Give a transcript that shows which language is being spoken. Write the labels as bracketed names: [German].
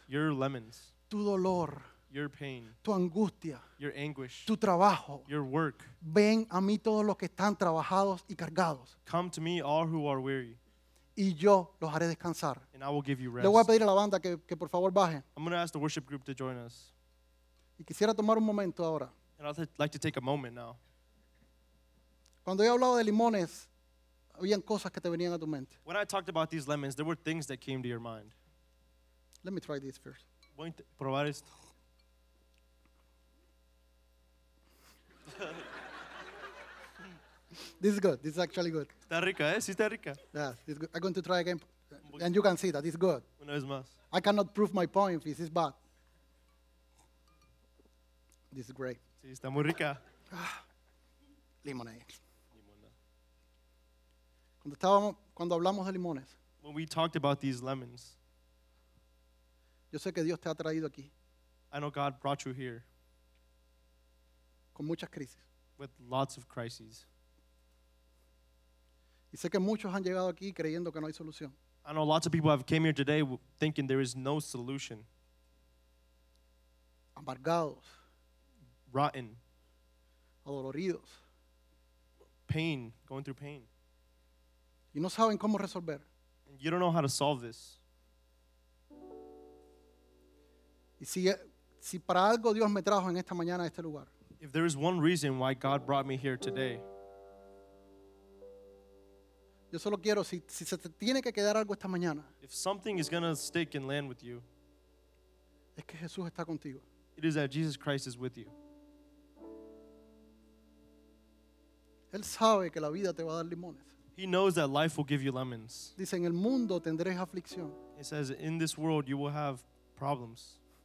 [English] Your lemons. [Spanish] Tu dolor. [English] Your pain. [Spanish] Tu angustia. [English] Your anguish. [Spanish] Tu trabajo. [English] Your work. [Spanish] Ven a mí todos los que están trabajados y cargados. [English] Come to me all who are weary. [Spanish] Y yo los haré descansar. [English] And I will give you rest. [Spanish] Le voy a pedir a la banda que por favor baje. [English] I'm going to ask the worship group to join us. [Spanish] Y quisiera tomar un momento ahora. [English] And I'd like to take a moment now. [Spanish] Cuando yo hablaba de limones, había cosas que te venían a tu mente. [English] When I talked about these lemons, there were things that came to your mind. Let me try this first. [Spanish] Voy a probar esto. [English] This is good. This is actually good. [Spanish] Está rica, ¿eh? Sí está rica. [English] Yes, it's good. I'm going to try again. And you can see that it's good. [Spanish] Una vez más. [English] I cannot prove my point if this is bad. This is great. [Spanish] Sí, está muy rica. [English] Limonade. [Spanish] Cuando hablamos de limones. [English] When we talked about these lemons. [Spanish] Yo sé que Dios te ha traído aquí. [English] I know God brought you here. [Spanish] Con muchas crisis. [English] With lots of crises. [Spanish] Y sé que muchos han llegado aquí creyendo que no hay solución. [English] I know lots of people have came here today thinking there is no solution. [Spanish] Amargados. [English] Rotten. [Spanish] Adoloridos. [English] Pain, going through pain. [Spanish] Y no saben cómo resolver. [English] And you don't know how to solve this. [Spanish] Y si para algo Dios me trajo en esta mañana a este lugar. [English] If there is one reason why God brought me here today. [Spanish] Yo solo quiero, si se te tiene que quedar algo esta mañana. [English] If something is going to stick and land with you. [Spanish] Es que Jesús está contigo. [English] It is that Jesus Christ is with you. [Spanish] Él sabe que la vida te va a dar limones. [English] He knows that life will give you lemons. [Spanish] Dice, en el mundo tendréis aflicción. [English] It says, in this world you will have problems.